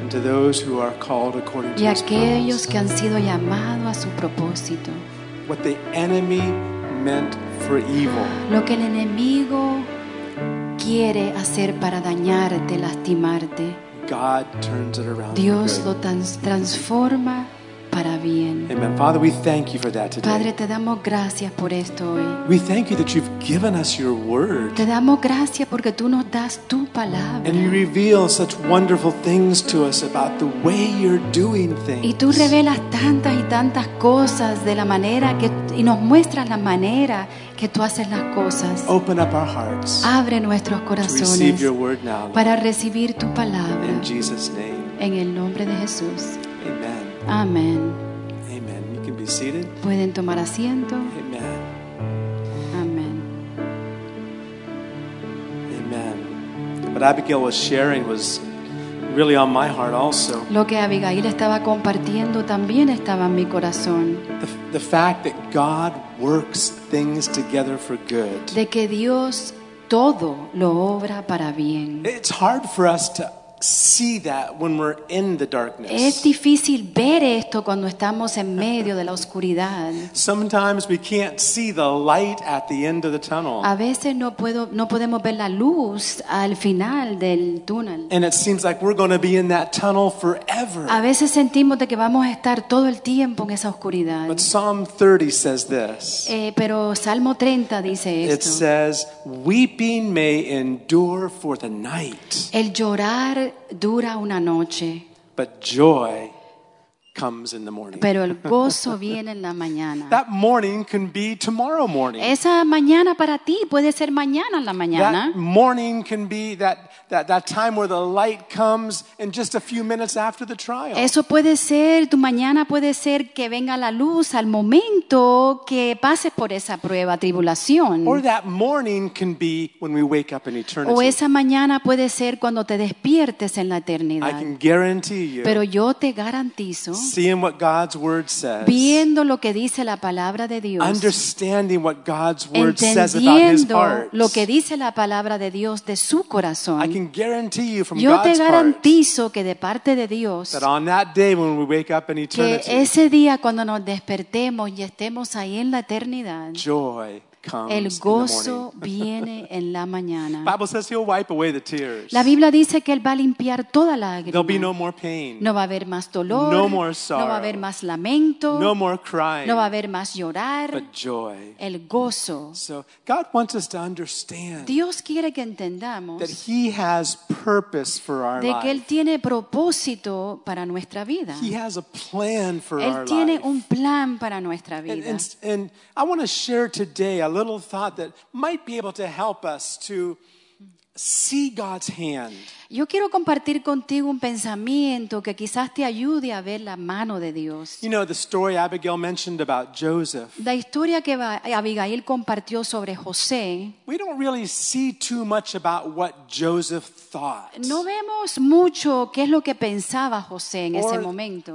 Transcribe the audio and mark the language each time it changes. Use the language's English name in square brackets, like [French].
[English] And to those who are called according to his purpose. [Spanish] Y aquellos que han sido llamados a su propósito. [English] What the enemy meant for evil. [Spanish] Lo que el enemigo quiere hacer para dañarte, lastimarte. [English] God turns it around. [Spanish] Dios lo transforma para bien. [English] Amen. Father, we thank you for that today. [Spanish] Padre, te damos gracias por esto hoy. [English] We thank you that you've given us your word. [Spanish] Te damos gracias porque tú nos das tu palabra. [English] And you reveal such wonderful things to us about the way you're doing things. [Spanish] Y tú revelas tantas y tantas cosas de la manera que y nos muestras la manera que tú haces las cosas. [English] Open up our hearts. [Spanish] Abre nuestros corazones. [English] To receive your word now. [Spanish] Para recibir tu palabra. [English] In Jesus' name. [Spanish] En el nombre de Jesús. [English] Amen. Amen. Amen. You can be seated. [Spanish] Pueden tomar asiento. [English] Amen. Amen. Amen. What Abigail was sharing was really on my heart also. [Spanish] Lo que Abigail estaba compartiendo también estaba en mi corazón. [English] The fact that God works things together for good. [Spanish] De que Dios todo lo obra para bien. [English] It's hard for us to see that when we're in the darkness. [Spanish] Es difícil ver esto cuando estamos en medio de la oscuridad. [English] Sometimes we can't see the light at the end of the tunnel. [Spanish] A veces no podemos ver la luz al final del túnel. [English] And it seems like we're going to be in that tunnel forever. [Spanish] A veces sentimos de que vamos a estar todo el tiempo en esa oscuridad. [English] But Psalm 30 says this. [Spanish] Pero Salmo 30 dice esto. [English] It says, "Weeping may endure for the night." [Spanish] El llorar dura una noche. [English] But joy comes in the morning. [Spanish] Pero el gozo viene en la mañana. [English] That morning can be tomorrow morning. [Spanish] Esa mañana para ti puede ser mañana en la mañana. [English] That morning can be that time where the light comes in just a few minutes after the trial. [Spanish] Eso puede ser tu mañana, puede ser que venga la luz al momento que pases por esa prueba, tribulación. [English] Or that morning can be when we wake up in eternity. [Spanish] O esa mañana puede ser cuando te despiertes en la eternidad. [English] I can guarantee you. [Spanish] Pero yo te garantizo. [English] Seeing what God's word says. [Spanish] Viendo lo que dice la palabra de Dios. [English] Understanding what God's word says about his heart. [Spanish] Entendiendo lo que dice la palabra de Dios de su corazón. [English] I can guarantee you from [Spanish] Yo [English] God's [Spanish] te garantizo [English] heart, [Spanish] que de parte de Dios. [English] That on that day when we wake up in eternity. [Spanish] Que ese día cuando nos despertemos y estemos ahí en la eternidad. [English] Joy comes [Spanish] El gozo viene en la mañana. [English] Bible says he'll wipe away the tears. [Spanish] La Biblia dice que él va a limpiar toda la lágrima. [English] There'll be no more pain. [Spanish] No va a haber más dolor. [English] No more sorrow. [Spanish] No va a haber más lamento. [English] No more crying. [Spanish] No va a haber más llorar. [English] But joy. [Spanish] El gozo. [English] So God wants us to understand. [Spanish] Dios quiere que entendamos. [English] That he has purpose for our life. [Spanish] De que él tiene propósito para nuestra vida. [English] He has a plan for our life. [Spanish] Él tiene un plan para nuestra vida. [English] And I want to share today a little thought that might be able to help us to see God's hand. [Spanish] Yo quiero compartir contigo un pensamiento que quizás te ayude a ver la mano de Dios. [English] You know the story Abigail mentioned about Joseph. [Spanish] La historia que Abigail compartió sobre José. [English] We don't really see too much about what Joseph thought. [Spanish] No vemos mucho qué es lo que pensaba José en ese momento.